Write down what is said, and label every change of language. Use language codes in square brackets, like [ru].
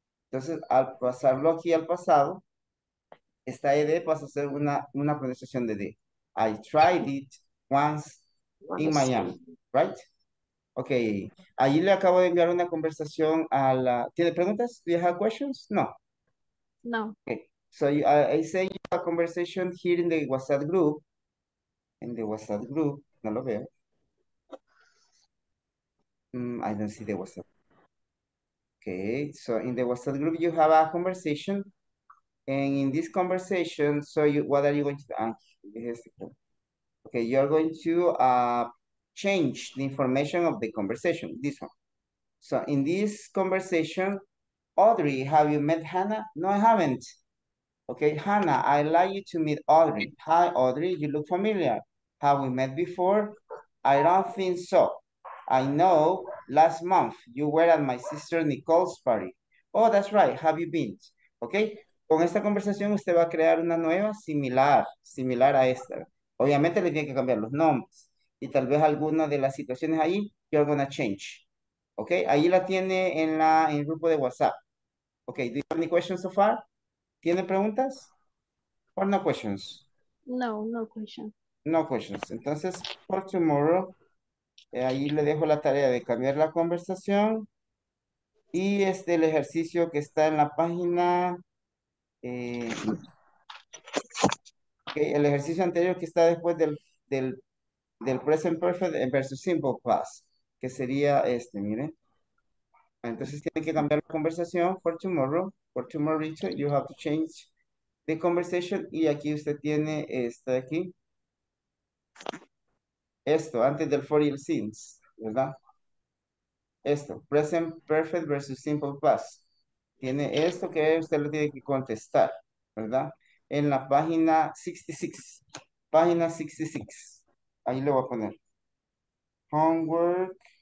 [es] Entonces, al pasarlo aquí al pasado, esta ED pasa a ser una pronunciación de D. [en] I tried it once in Miami. Right? Okay. [es] Allí le acabo de enviar una conversación a la... ¿Tiene preguntas? [en] Do you have questions? No. No. Okay. So I sent you a conversation here in the WhatsApp group. In the WhatsApp group. [es] No lo veo. [en] I don't see the WhatsApp. Okay, so in the WhatsApp group, you have a conversation. And in this conversation, so you, what are you going to do? Okay, you're going to change the information of the conversation. This one. So in this conversation, Audrey, have you met Hannah? No, I haven't. Okay, Hannah, I'd like you to meet Audrey. Hi, Audrey, you look familiar. Have we met before? I don't think so. I know last month you were at my sister Nicole's party. Oh, that's right, have you been? [es] Okay, con esta conversación usted va a crear una nueva similar a esta. Obviamente le tiene que cambiar los nombres y tal vez alguna de las situaciones ahí, [en] you're gonna change. [es] Okay, ahí la tiene en el grupo de WhatsApp. [en] Okay, do you have any questions so far? [es] ¿Tiene preguntas? [en] Or no questions? No, no questions. No questions. [es] Entonces, [en] for tomorrow, [es] ahí le dejo la tarea de cambiar la conversación. Y este el ejercicio que está en la página. Okay, el ejercicio anterior que está después del present perfect versus simple past. Que sería este, miren. Entonces tienen que cambiar la conversación [en] for tomorrow. For tomorrow, Richard, you have to change the conversation. [es] Y aquí usted tiene esto de aquí. Esto, antes del for y el since, ¿verdad? Esto, present perfect versus simple past. Tiene esto que usted lo tiene que contestar, ¿verdad? En la página 66. Página 66. Ahí le voy a poner. Homework.